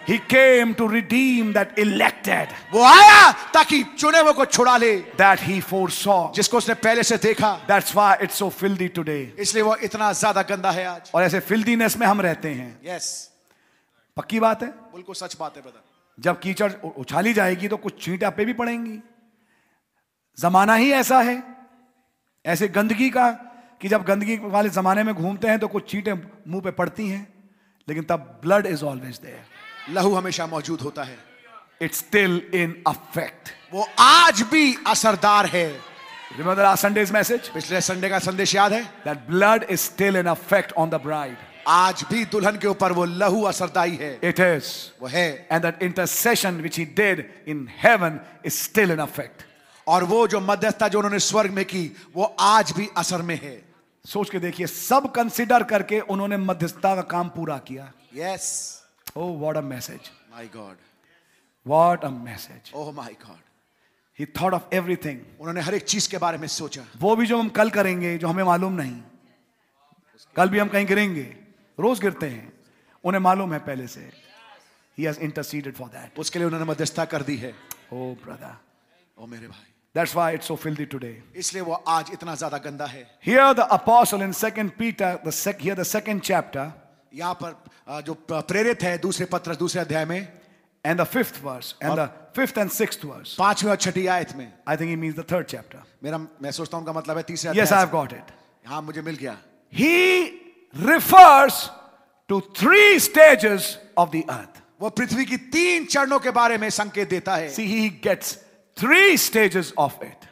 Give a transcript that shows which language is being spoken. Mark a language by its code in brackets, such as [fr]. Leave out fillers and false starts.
[en] He came to redeem that elected. [hi] वो आया ताकि चुने हुए को छुड़ा ले. [en] That he foresaw. [hi] जिसको उसने पहले से देखा. [en] That's why it's so filthy today. [hi] इसलिए वो इतना ज्यादा गंदा है आज. और ऐसे filthiness में हम रहते हैं. [en] Yes. [hi] पक्की बात है, बिल्कुल सच बात है ब्रदर. जब कीचड़ उछाली जाएगी तो कुछ छींटे आप पे भी पड़ेंगी. जमाना ही ऐसा है, ऐसे गंदगी का, कि जब गंदगी वाले जमाने में घूमते हैं तो कुछ छींटे मुंह पे पड़ती हैं, लेकिन तब [en] Blood is always there. [hi] लहू हमेशा मौजूद होता है. [en] It's still in affect. [hi] वो आज भी असरदार है. [en] remember last Sunday's message, [hi] पिछले संडे का संदेश याद है? [en] That blood is still in affect on the bride. [hi] आज भी दुल्हन के ऊपर वो लहू असरदाई है. [en] It is. [hi] वो है. [en] And that intercession which he did in heaven is still in effect. [hi] और वो जो मध्यस्थता जो उन्होंने स्वर्ग में की, वो आज भी असर में है. सोच के देखिए, सब कंसिडर करके उन्होंने मध्यस्थता का काम पूरा किया. [en] Yes. Oh, what a message. My God. What a message. Oh my God. He thought of everything. [hi] उन्होंने हर एक चीज के बारे में सोचा. वो भी जो हम कल करेंगे, जो हमें मालूम नहीं. कल भी हम कहीं गिरेंगे, रोज गिरते हैं, उन्हें मालूम है पहले से. [en] He has interceded for that. [hi] उसके लिए उन्होंने मध्यस्थता कर दी है. [en] Oh brother. [hi] Oh मेरे भाई. [en] That's why it's so filthy today. [hi] इसलिए वो आज इतना ज़्यादा गंदा है. [en] Here the apostle in 2 Peter, here the second chapter. [hi] यहाँ पर जो प्रेरित है दूसरे पत्र दूसरे अध्याय में. [en] And the fifth verse, and the fifth and sixth verse. [hi] पांचवी और छठी आयत में. [en] I think he means the third chapter. [hi] मेरा मैं सोचता हूँ का मतलब है तीसरे. [en] Yes, I've got it. [hi] हाँ मुझे मिल गया. [en] He refers to three stages of the earth. [hi] वो पृथ्वी की तीन चरणों के बारे में संकेत देता है. [en] See, he gets three stages of it.